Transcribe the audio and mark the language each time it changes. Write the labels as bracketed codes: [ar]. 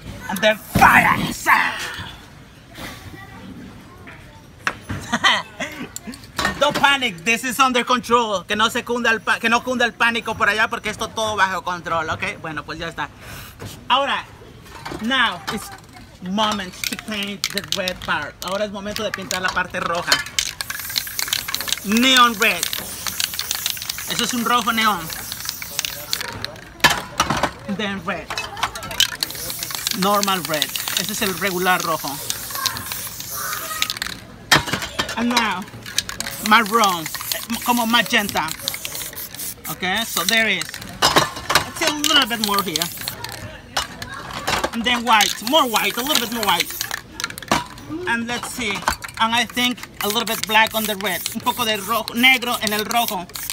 [en] And then fire! Don't panic, this is under control. [es] Que no se cunda el pánico por allá porque esto todo bajo control, ¿ok? Bueno, pues ya está. Ahora, [en] now it's moment to paint the red part. [es] Ahora es momento de pintar la parte roja. [en] Neon red. [es] Eso es un rojo neón. [en] Then red. Normal red. [es] Ese es el regular rojo. [en] And now, [es] marrón. Como magenta. [en] Okay, so there is. It's a little bit more here. And then white. More white, a little bit more white. And let's see. And I think a little bit black on the red. [es] Un poco de rojo, negro en el rojo.